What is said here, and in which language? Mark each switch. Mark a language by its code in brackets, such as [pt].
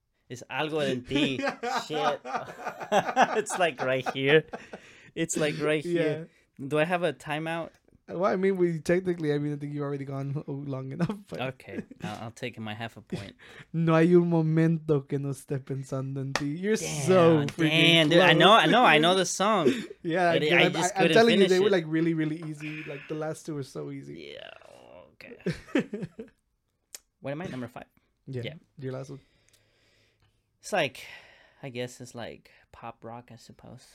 [en] It's [es] algo en ti. [en] Shit. It's like right here. It's like right here. Yeah. Do I have a timeout? Well, I mean, I think you've already gone long enough. But... Okay. I'll take my half a point. [es] No hay un momento que no esté pensando en ti. [en] You're damn, so freaking damn, close. Dude, I know the song. Yeah. I'm telling you, they were like really, really easy. Like the last two were so easy. Yeah. Okay. What am I? Number five? Yeah. Your last one. It's like, I guess it's like pop rock, I suppose.